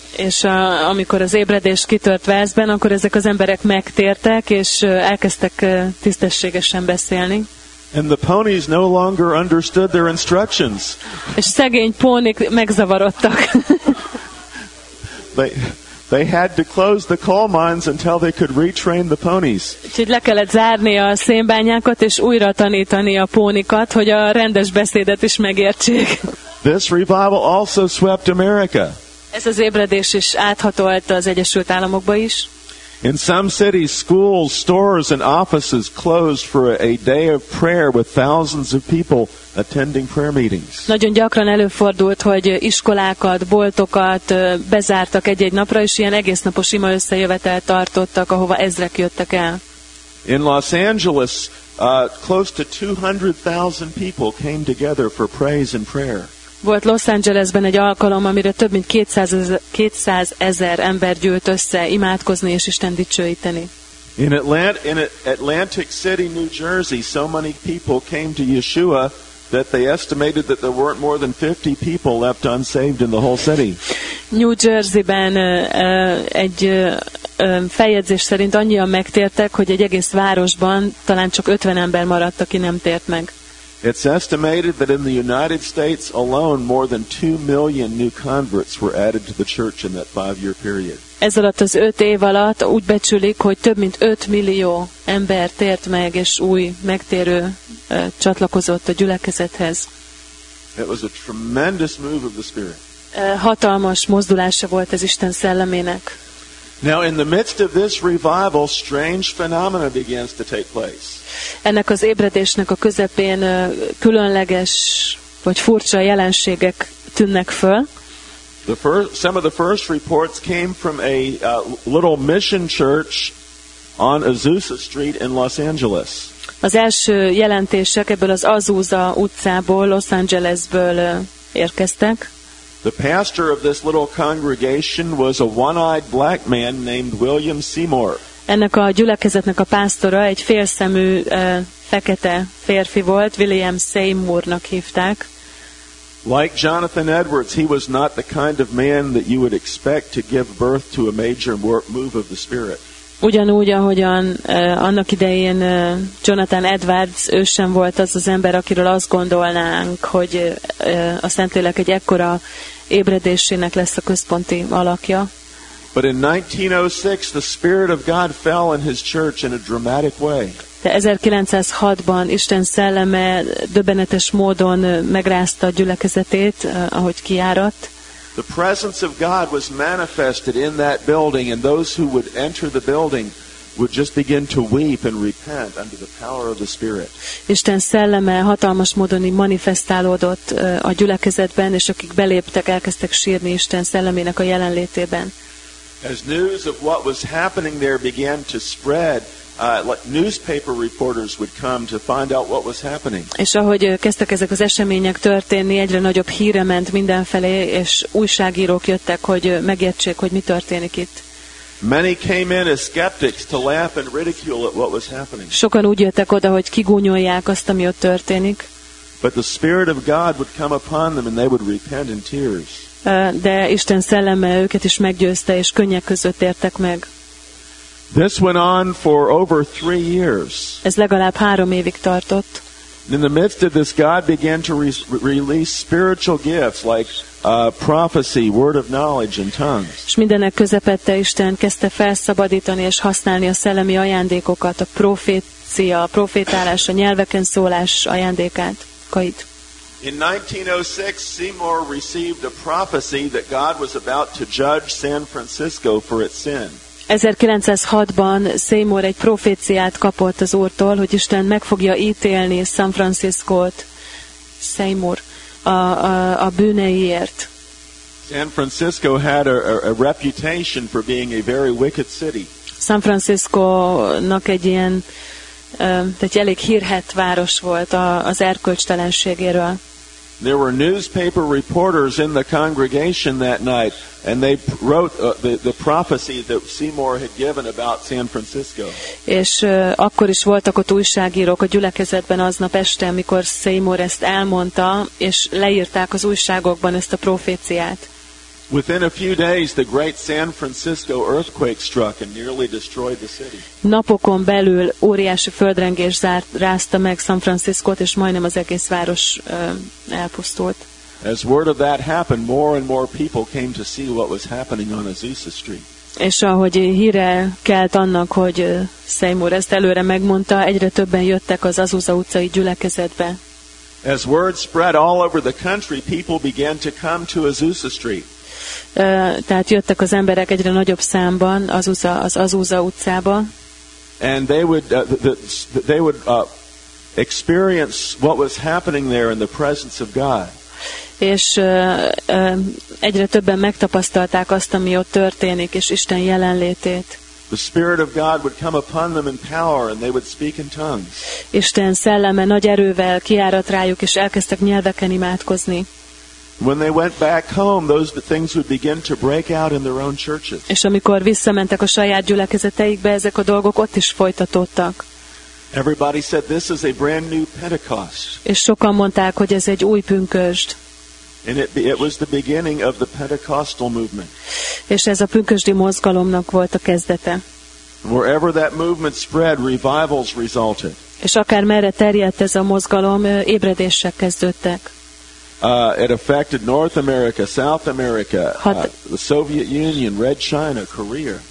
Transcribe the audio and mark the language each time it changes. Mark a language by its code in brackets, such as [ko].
[hu] És amikor az ébredés kitört Walesben, akkor ezek az emberek megtértek, és elkezdtek tisztességesen beszélni. [en] And the ponies no longer understood their instructions. [hu] És szegény pónik megzavarodtak. [en] They had to close the coal mines until they could retrain the ponies. [hu] Úgyhogy le kellett zárni a szénbányákat és újra tanítani a pónikat, hogy a rendes beszédet is megértsék. [en] This revival also swept America. [hu] Ez az ébredés is áthatolta az Egyesült Államokba is. [en] In some cities, schools, stores, and offices closed for a day of prayer with thousands of people attending prayer meetings. [hu] Nagyon gyakran előfordult, hogy iskolákat, boltokat bezártak egy-egy napra, és ilyen egész napos ima összejövetel tartottak, ahova ezrek jöttek el. [en] In Los Angeles, close to 200,000 people came together for praise and prayer. [hu] Volt Los Angelesben egy alkalom, amire több mint 200,000 ember gyűlt össze imádkozni és Isten dicsőíteni. [en] In Atlantic City, New Jersey, so many people came to Yeshua that they estimated that there weren't more than 50 people left unsaved in the whole city. [hu] New Jerseyben egy feljegyzés szerint annyian megtértek, hogy egy egész városban talán csak 50 ember maradt, aki nem tért meg. [en] It's estimated that in the United States alone, more than 2 million new converts were added to the church in that 5-year period. [hu] Ez alatt az 5 év alatt úgy becsülik, hogy több mint 5 millió ember tért meg, és új megtérő csatlakozott a gyülekezethez. [en] It was a tremendous move of the Spirit. [hu] Hatalmas mozdulása volt ez Isten szellemének. [en] Now in the midst of this revival, strange phenomena begins to take place. [hu] Ennek az ébredésnek a közepén különleges vagy furcsa jelenségek tűnnek föl. [en] Some of the first reports came from a little mission church on Azusa Street in Los Angeles. [hu] Az első jelentések ebből az Azusa utcából, Los Angelesből érkeztek. [en] The pastor of this little congregation was a one-eyed black man named William Seymour. [hu] Ennek a gyülekezetnek a pásztora egy félszemű fekete férfi volt, William Seymournak hívták. [en] Like Jonathan Edwards, he was not the kind of man that you would expect to give birth to a major move of the Spirit. [hu] Ugyanúgy, ahogyan annak idején Jonathan Edwards, ő sem volt az az ember, akiről azt gondolnánk, hogy a Szentlélek egy ekkora ébredésének lesz a központi alakja. [en] But in 1906, the Spirit of God fell in his church in a dramatic way. [hu] De 1906-ban Isten szelleme döbbenetes módon megrázta a gyülekezetét, ahogy kiáradt. [en] The presence of God was manifested in that building, and those who would enter the building would just begin to weep and repent under the power of the Spirit. [hu] Isten szelleme hatalmas módon manifestálódott a gyülekezetben, és akik beléptek, elkezdtek sírni Isten szellemének a jelenlétében. [en] As news of what was happening there began to spread, newspaper reporters would come to find out what was happening. [hu] És ahogy kezdtek ezek az események történni, egyre nagyobb híre ment mindenfelé, és újságírók jöttek, hogy megértsék, hogy mi történik itt. [en] Many came in as skeptics to laugh and ridicule at what was happening. [hu] Sokan úgy jöttek oda, hogy kigúnyolják azt, ami ott történik. [en] But the Spirit of God would come upon them and they would repent in tears. [hu] De Isten szelleme őket is meggyőzte, és könnyek között értek meg. [en] This went on for over 3 years. [hu] Ez legalább 3 évig tartott. [en] In the midst of this, God began to release spiritual gifts like prophecy, word of knowledge, and tongues. [hu] És mindenek közepette Isten kezdte felszabadítani és használni a szellemi ajándékokat, a profécia, a profétálás, a nyelveken szólás ajándékát. Kait. [en] In 1906, Seymour received a prophecy that God was about to judge San Francisco for its sin. [hu] 1906-ban Seymour egy proféciát kapott az Úrtól, hogy Isten meg fogja ítélni San Franciscót, Seymour, a bűneiért. [en] San Francisco had a reputation for being a very wicked city. [hu] San Francisco-nak egy ilyen, tehát egy elég hírhet város volt az erkölcstelenségéről. [en] There were newspaper reporters in the congregation that night, and they wrote the prophecy that Seymour had given about San Francisco. [hu] És akkor is voltak ott újságírók a gyülekezetben aznap este, amikor Seymour ezt elmondta, és leírták az újságokban ezt a proféciát. [en] Within a few days, the great San Francisco earthquake struck and nearly destroyed the city. [hu] Napokon belül óriási földrengés rázta meg San Franciscót, és majdnem az egész város elpusztult. [en] As word of that happened, more and more people came to see what was happening on Azusa Street. [hu] És ahogy híre kelt annak, hogy Seymour ezt előre megmondta, egyre többen jöttek az Azusa utcai gyülekezetbe. [en] As word spread all over the country, people began to come to Azusa Street. [hu] Tehát jöttek az emberek egyre nagyobb számban az Azusa utcába. [en] And they would experience what was happening there in the presence of God. [hu] És egyre többen megtapasztalták azt, ami ott történik, és Isten jelenlétét. [en] The Spirit of God would come upon them in power, and they would speak in tongues. [hu] Isten szelleme nagy erővel kiárat rájuk, és elkezdtek nyelveken imádkozni. [en] When they went back home, those things would begin to break out in their own churches. [hu] És amikor visszamentek a saját gyülekezeteikbe, ezek a dolgok ott is folytatódtak. [en] Everybody said this is a brand new Pentecost. [hu] És sokan mondták, hogy ez egy új pünkösd. [en] And it was the beginning of the Pentecostal movement. [hu] És ez a pünkösdi mozgalomnak volt a kezdete. [en] Wherever that movement spread, revivals resulted. [hu] És akár merre terjedt ez a mozgalom, ébredések kezdődtek. [en] It affected North America, South America, the Soviet Union, Red China, Korea.